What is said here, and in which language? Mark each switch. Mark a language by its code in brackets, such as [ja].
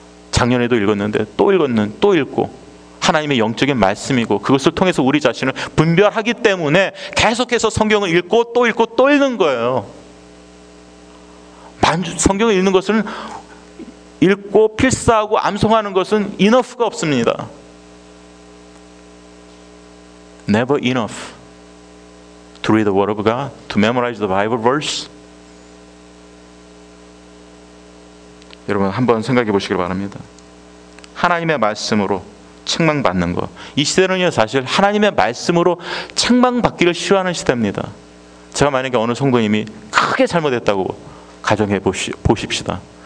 [ko] 작년에도 읽었는데 또 읽었는 또 읽고 하나님의 영적인 말씀이고 그것을 통해서 우리 자신을 분별하기 때문에 계속해서 성경을 읽고 또 읽고 또 읽는 거예요. 성경을 읽는 것은 읽고 필사하고 암송하는 것은 enough가 없습니다. [en] Never enough to read the word of God, to memorize the Bible verse. [ko] 여러분 한번 생각해 보시길 바랍니다. 하나님의 말씀으로 책망받는 것. 이 시대는요 사실 하나님의 말씀으로 책망받기를 싫어하는 시대입니다. 제가 만약에 어느 성도님이 크게 잘못했다고 가정해 보십시다.